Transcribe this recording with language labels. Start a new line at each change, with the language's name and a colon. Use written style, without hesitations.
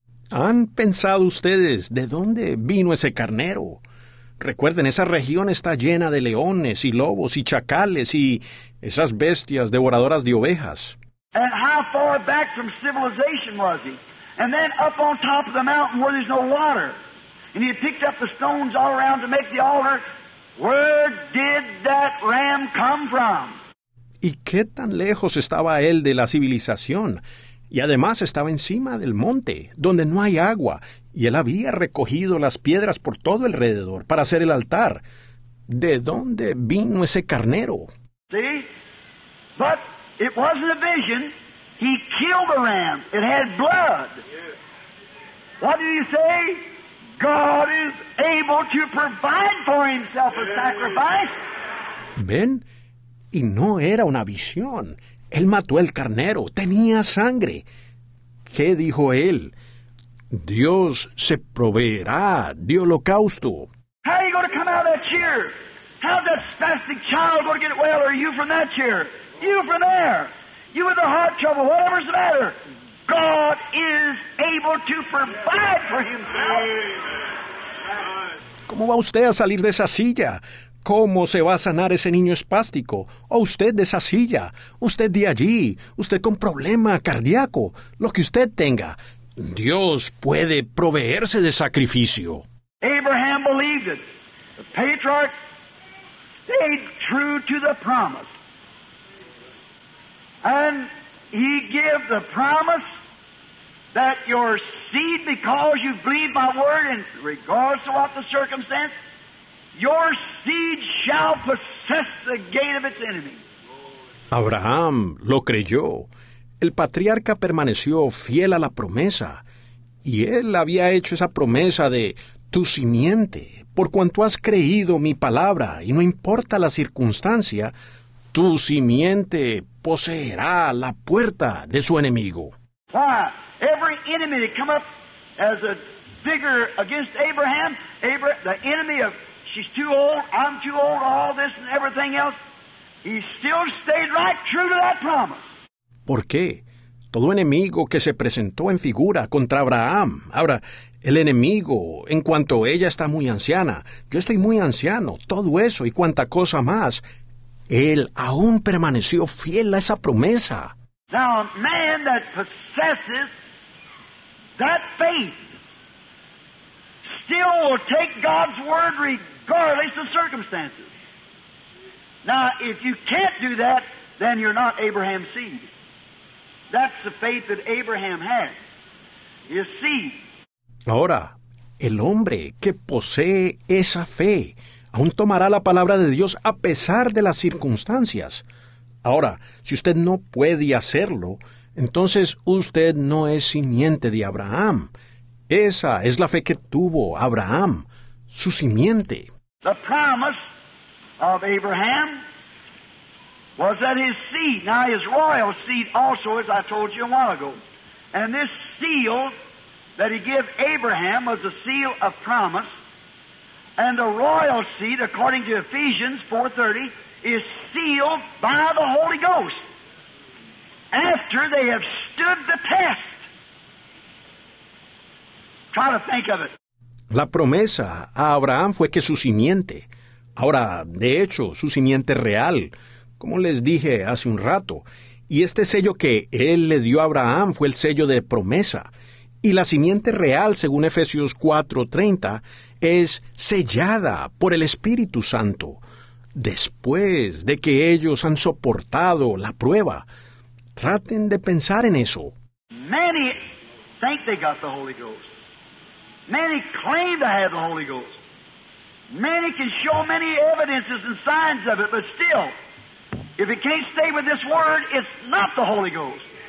Spanish: ¿Han pensado ustedes de dónde vino ese carnero? Recuerden, esa región está llena de leones y lobos y chacales y esas bestias devoradoras de ovejas.
English: And how far back from civilization was he? And then up on top of the mountain where there's no water. And he picked up the stones all around to make the altar. Where did that ram come from?
Spanish: ¿Y qué tan lejos estaba él de la civilización? Y además estaba encima del monte, donde no hay agua, y él había recogido las piedras por todo alrededor para hacer el altar. ¿De dónde vino ese carnero?
English: See? But it wasn't a vision. He killed the ram. It had blood. What did he say? God is able to provide for himself a sacrifice.
Spanish: ¿Ven? Y no era una visión. Él mató el carnero. Tenía sangre. ¿Qué dijo él? Dios se proveerá de holocausto.
English: How are you going to come out of that chair? How's that spastic child going to get well? Or you from that chair? You from there? You with the heart trouble? Whatever's the matter? God is able to provide for himself.
Spanish: ¿Cómo va usted a salir de esa silla? ¿Cómo se va a sanar ese niño espástico? ¿O usted de esa silla? ¿Usted de allí? ¿Usted con problema cardíaco? Lo que usted tenga. Dios puede proveerse de sacrificio.
English: Abraham believed it. The patriarch stayed true to the promise. And he gave the promise that your seed, because you believe my word, and regardless of what the circumstance, your seed shall possess the gate of its enemy.
Spanish: Abraham lo creyó. El patriarca permaneció fiel a la promesa. Y él había hecho esa promesa de tu simiente. Por cuanto has creído mi palabra, y no importa la circunstancia, tu simiente poseerá la puerta de su enemigo.
English: Why? Every enemy that come up as a figure against Abraham, the enemy of she's too old, I'm too old, all this and everything else, he still stayed right true to that promise.
Spanish: ¿Por qué? Todo enemigo que se presentó en figura contra Abraham. Ahora, el enemigo, en cuanto ella está muy anciana, yo estoy muy anciano, todo eso y cuanta cosa más, él aún permaneció fiel a esa promesa.
English: Now, a man that possesses That faith still will take God's word regardless of circumstances. Now, if you can't do that, then you're not Abraham's seed. That's the faith that Abraham had. His seed.
Spanish: Ahora, el hombre que posee esa fe aún tomará la palabra de Dios a pesar de las circunstancias. Ahora, si usted no puede hacerlo, entonces usted no es simiente de Abraham. Esa es la fe que tuvo Abraham, su simiente.
English: The promise of Abraham was that his seed, now his royal seed also, as I told you a while ago. And this seal that he gave Abraham was a seal of promise. And the royal seed, according to Ephesians 4:30, is sealed by the Holy Ghost after they have stood the test. Try to think of it.
Spanish: La promesa a Abraham fue que su simiente, ahora, de hecho, su simiente real, como les dije hace un rato, y este sello que él le dio a Abraham fue el sello de promesa. Y la simiente real, según Efesios 4:30, es sellada por el Espíritu Santo, después de que ellos han soportado la prueba. Traten de pensar en eso.
English: Many think they got the Holy Ghost. Many claim to have the Holy Ghost. Many can show many evidences and signs of it, but still, if it can't stay with this word, it's not the Holy Ghost.